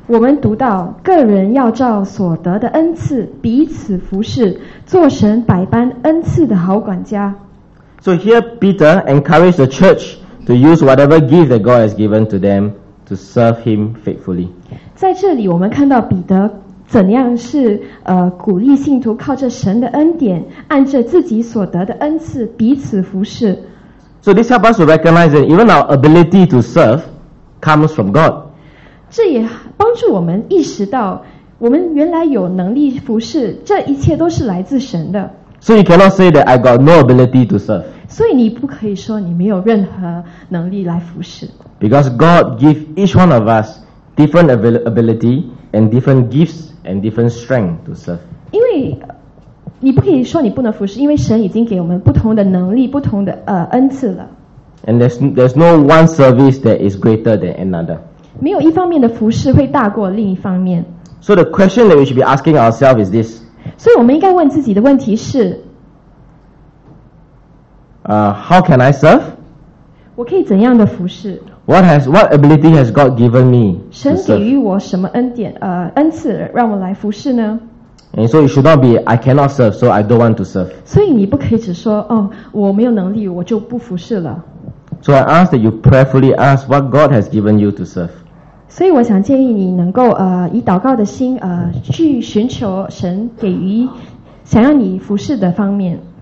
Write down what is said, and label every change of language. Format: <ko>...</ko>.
<zh>我们读到个人要照所得的恩赐彼此服侍，做神百般恩赐的好管家。</zh> <en>So here Peter encouraged the church to use whatever gift that God has given to them to serve Him faithfully.</en> <zh>在这里，我们看到彼得。怎样是鼓励信徒靠着神的恩典，按着自己所得的恩赐彼此服侍。</zh> <en>So this helps us to recognize that even our ability to serve comes from God.</en> <zh>这也帮助我们意识到，我们原来有能力服侍，这一切都是来自神的。</zh> <en>So you cannot say that I got no ability to serve.</en> <zh>所以你不可以说你没有任何能力来服侍。</zh> <en>Because God gives each one of us different ability and different gifts. And different strength to serve.</en> <zh>因为你不可以说你不能服侍，因为神已经给我们不同的能力、不同的恩赐了。</zh> <en>And there's no one service that is greater than another.</en> <zh>没有一方面的服侍会大过另一方面。</zh> <en>So the question that we should be asking ourselves is this.</en> <zh>所以我们应该问自己的问题是</zh> <en>How can I serve?</en> <zh>我可以怎样的服侍？</zh> <en>What ability has God given me?</en> <zh>神给予我什么恩典恩赐让我来服侍呢？</zh> <en>And so it should not be I cannot serve, so I don't want to serve.</en> <zh>所以你不可以只说哦，我没有能力，我就不服侍了。</zh> <en>So I ask that you prayerfully ask what God has given you to serve.</en> <zh>所以我想建议你能够以祷告的心去寻求神给予想要你服侍的方面。</zh>